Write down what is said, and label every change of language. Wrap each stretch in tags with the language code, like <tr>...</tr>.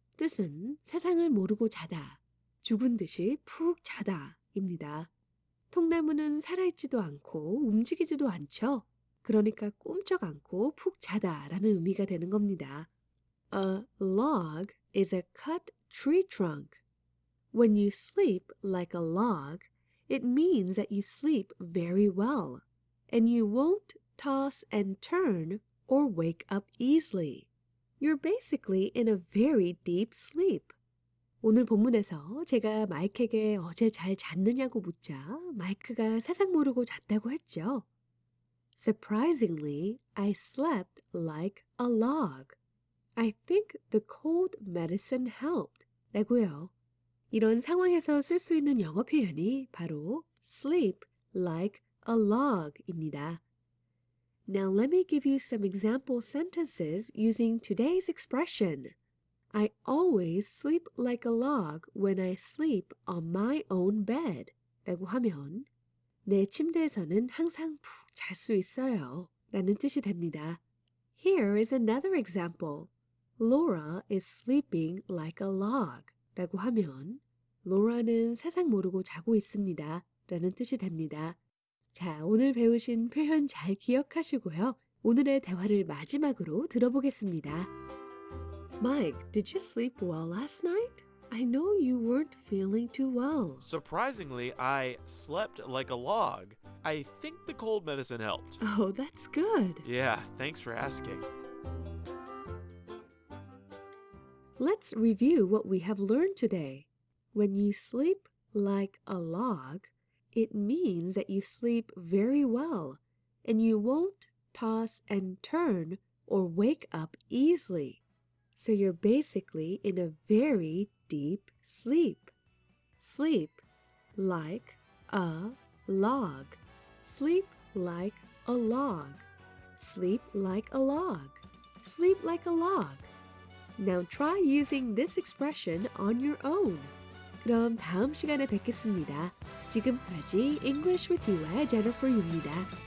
<ko>뜻은 세상을 모르고 자다, 죽은 듯이 푹 자다입니다. 통나무는 살아있지도 않고 움직이지도 않죠. 그러니까 꿈쩍 않고 푹 자다라는 의미가 되는 겁니다.</ko> <en>A log is a cut tree trunk. When you sleep like a log, it means that you sleep very well. And you won't toss and turn or wake up easily. You're basically in a very deep sleep.</en> <ko>오늘 본문에서 제가 마이크에게 어제 잘 잤느냐고 묻자 마이크가 세상 모르고 잤다고 했죠.</ko> <en>Surprisingly, I slept like a log. I think the cold medicine helped.</en> <ko>라고요. 이런 상황에서 쓸 수 있는 영어 표현이 바로 sleep like a log입니다.</ko> <en>Now let me give you some example sentences using today's expression. I always sleep like a log when I sleep on my own bed.</en> <ko>라고 하면 내 침대에서는 항상 푹 잘 수 있어요. 라는 뜻이 됩니다.</ko> <en>Here is another example. Laura is sleeping like a log.</en> <ko>라고 하면 로라는 세상 모르고 자고 있습니다. 라는 뜻이 됩니다. 자, 오늘 배우신 표현 잘 기억하시고요. 오늘의 대화를 마지막으로 들어보겠습니다.</ko> <en>Mike, did you sleep well last night? I know you weren't feeling too well. Surprisingly, I slept like a log. I think the cold medicine helped. Oh, that's good. Yeah, thanks for asking. Let's review what we have learned today. When you sleep like a log, it means that you sleep very well, and you won't toss and turn or wake up easily. So you're basically in a very deep sleep. Sleep like a log. Sleep like a log. Sleep like a log. Sleep like a log. Now try using this expression on your own.</en> <ko>그럼 다음 시간에 뵙겠습니다. 지금까지 English with You의 Jennifer Yu입니다.</ko>